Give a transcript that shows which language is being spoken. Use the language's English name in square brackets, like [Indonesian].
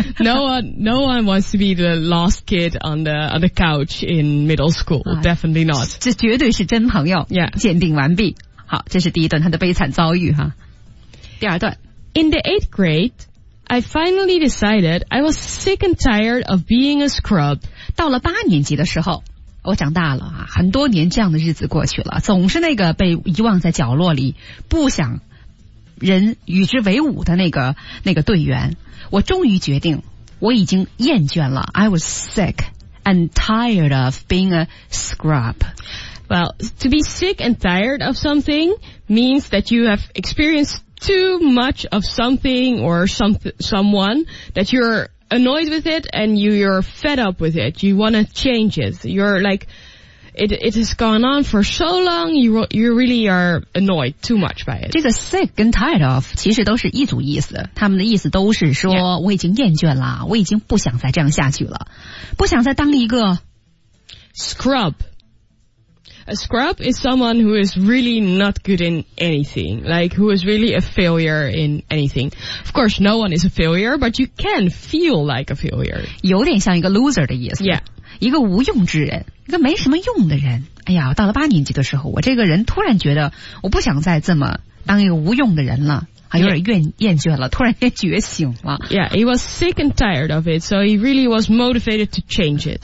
[English] No one wants to be the last kid on the couch in middle school. Definitely not. [Chinese] 这绝对是真朋友。 [English] Yeah. [Chinese] 鉴定完毕。好，这是第一段他的悲惨遭遇哈。第二段。 [English] In the eighth grade, I finally decided I was sick and tired of being a scrub. [Chinese] 到了八年级的时候，我长大了啊，很多年这样的日子过去了，总是那个被遗忘在角落里，不想人与之为伍的那个队员，我终于决定，我已经厌倦了。 [English] I was sick and tired of being a scrub. Well, to be sick and tired of something means that you have experienced too much of something or someone that you're annoyed with it and you're fed up with it. You want to change it. You're like, It has gone on for so long, you really are annoyed too much by it. [Chinese] 这个 sick 跟 tired of 其实都是一组意思，他们的意思都是说、 [English] yeah. [Chinese] 我已经厌倦了，我已经不想再这样下去了，不想再当一个 [English] scrub. A scrub is someone who is really not good in anything, like who is really a failure in anything. Of course, no one is a failure, but you can feel like a failure. [Chinese] 有点像一个 loser 的意思。 [English] Yeah. [Chinese] 一个无用之人，一个没什么用的人。哎呀，到了八年级的时候，我这个人突然觉得我不想再这么当一个无用的人了，还有点厌倦了，突然间觉醒了。 [English] Yeah, he was sick and tired of it, so he really was motivated to change it.